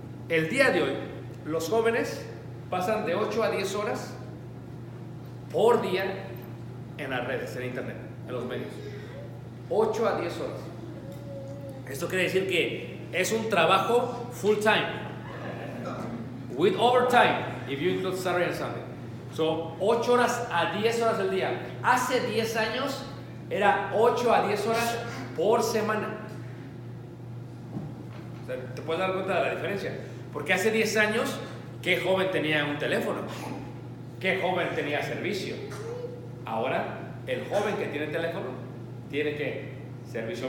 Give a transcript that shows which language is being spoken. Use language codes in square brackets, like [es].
[es] El día de hoy, los jóvenes pasan de 8 a 10 horas por día en las redes, en internet, en los medios. 8 a 10 horas. Esto quiere decir que es un trabajo full time. [en] With overtime, if you include Saturday and Sunday. [es] So, 8 horas a 10 horas del día. Hace 10 años era 8 a 10 horas por semana. Te puedes dar cuenta de la diferencia. Porque hace 10 años, ¿qué joven tenía un teléfono? ¿Qué joven tenía servicio? Ahora, el joven que tiene teléfono, ¿tiene qué? Servicio.